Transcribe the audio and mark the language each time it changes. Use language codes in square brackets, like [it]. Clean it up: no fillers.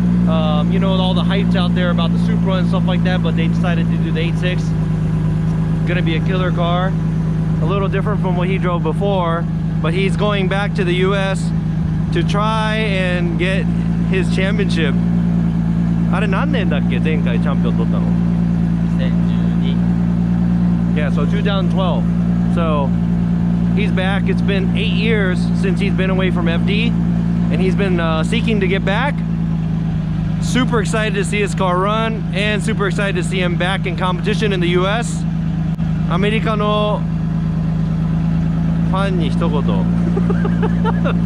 [en] you know, all the hype out there about the Supra and stuff like that, but they decided to do the 86. Gonna be a killer car. A little different from what he drove before, but he's going back to the US to try and get his championship. [ja] あれ何年だっけ前回チャンピオン取ったの 2012 [en] Yeah, so 2012. So he's back. It's been 8 years since he's been away from FD, and he's been seeking to get back. Super excited to see his car run, and super excited to see him back in competition in the US. [ja] アメリカのファンに一言。